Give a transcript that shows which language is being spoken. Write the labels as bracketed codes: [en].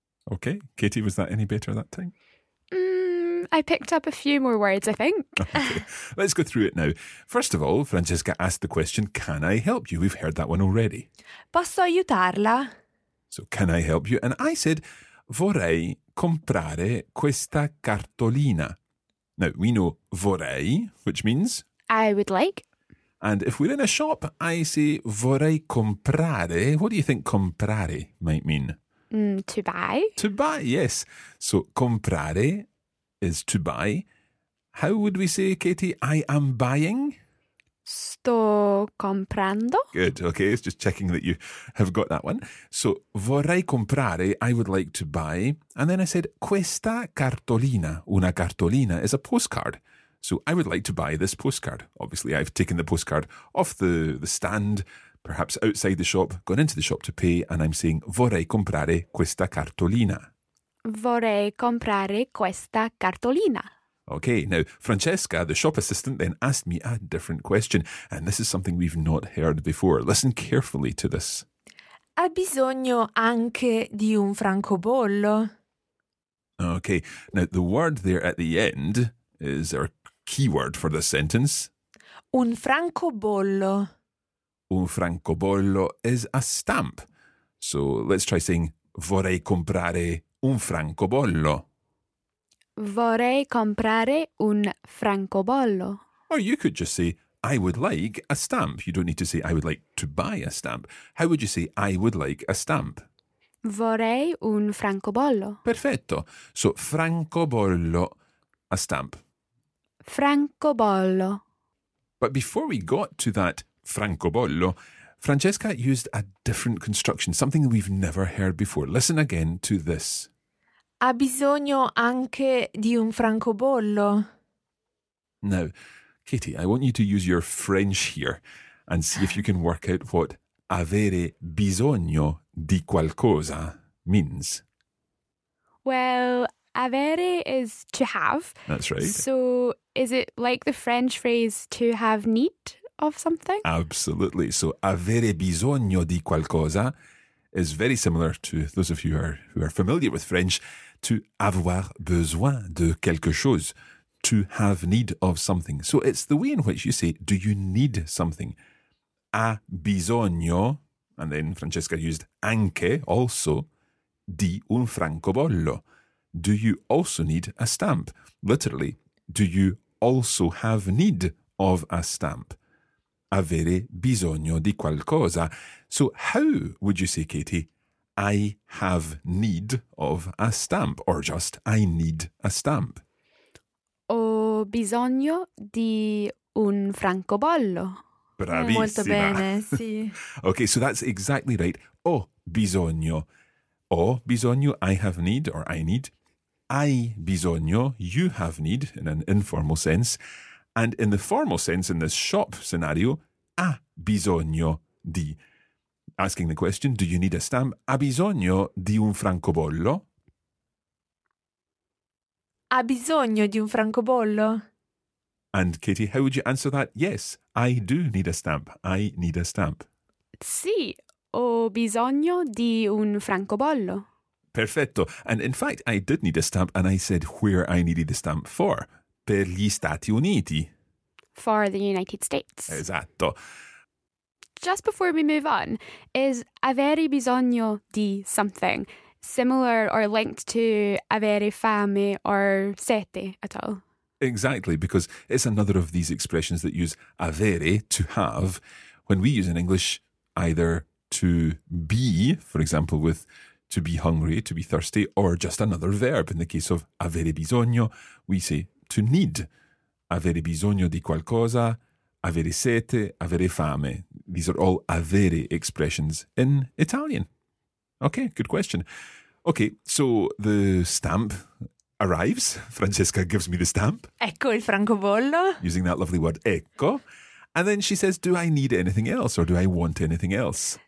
[en] Ok, Katie, was that any better that time? I picked up a few more words, I think. Okay. Let's go through it now. First of all, Francesca asked the question, can I help you? We've heard that one already. [it] Posso aiutarla? [en] So, can I help you? And I said, [it] vorrei comprare questa cartolina. [en] Now, we know vorrei, which means? I would like. And if we're in a shop, I say, [it] vorrei comprare. [en] What do you think comprare might mean? To buy. To buy, yes. So, comprare is to buy. How would we say, Katie, I am buying? [it] Sto comprando. [en] Good, okay. It's just checking that you have got that one. So, [it] vorrei comprare, [en] I would like to buy. And then I said, [it] questa cartolina, una cartolina, [en] is a postcard. So, I would like to buy this postcard. Obviously, I've taken the postcard off the stand, perhaps outside the shop, gone into the shop to pay, and I'm saying, [it] vorrei comprare questa cartolina. Vorrei comprare questa cartolina. [en] Okay, now, Francesca, the shop assistant, then asked me a different question, and this is something we've not heard before. Listen carefully to this. [it] Ha bisogno anche di un francobollo. [en] Okay, now, the word there at the end is our keyword for the sentence. [it] Un francobollo. [en] Un francobollo is a stamp. So let's try saying, [it] vorrei comprare un francobollo. Vorrei comprare un francobollo. [en] Or you could just say, I would like a stamp. You don't need to say, I would like to buy a stamp. How would you say, I would like a stamp? [it] Vorrei un francobollo. Perfetto. [en] So francobollo, a stamp. [it] Francobollo. [en] But before we got to that francobollo, Francesca used a different construction, something we've never heard before. Listen again to this. [it] Ha bisogno anche di un francobollo. [en] Now, Katie, I want you to use your French here and see if you can work out what [it] avere bisogno di qualcosa [en] means. Well, avere is to have. That's right. So is it like the French phrase to have need of something? Absolutely. So [it] avere bisogno di qualcosa [en] is very similar to those of you who are familiar with French to [fr] avoir besoin de quelque chose, [en] to have need of something. So it's the way in which you say, do you need something? [it] A bisogno, [en] and then Francesca used anche, also, [it] di un francobollo. [en] Do you also need a stamp? Literally, do you also have need of a stamp? [it] Avere bisogno di qualcosa. [en] So how would you say, Katie, I have need of a stamp, or just I need a stamp? [it] Ho bisogno di un francobollo. Bravissima. Molto bene, sì. [en] Okay, so that's exactly right. [it] Ho bisogno. Ho bisogno, [en] I have need, or I need. [it] Hai bisogno, [en] you have need, in an informal sense. And in the formal sense, in this shop scenario, [it] ha bisogno di. [en] Asking the question, do you need a stamp? [it] Ha bisogno di un francobollo? Ha bisogno di un francobollo? [en] And Katie, how would you answer that? Yes, I do need a stamp. I need a stamp. [it] Sì, ho bisogno di un francobollo. Perfetto. [en] And in fact, I did need a stamp and I said where I needed the stamp for. [it] Per gli Stati Uniti. [en] For the United States. [it] Esatto. [en] Just before we move on, is [it] avere bisogno di [en] something similar or linked to [it] avere fame [en] or sete at all? Exactly, because it's another of these expressions that use avere, to have, when we use in English either to be, for example, with to be hungry, to be thirsty, or just another verb. In the case of avere bisogno, we say to need. [it] Avere bisogno di qualcosa, avere sete, avere fame. [en] These are all avere expressions in Italian. Okay, good question. Okay, so the stamp arrives. Francesca gives me the stamp. [it] Ecco il francobollo. [en] Using that lovely word, ecco. And then she says, do I need anything else or do I want anything else?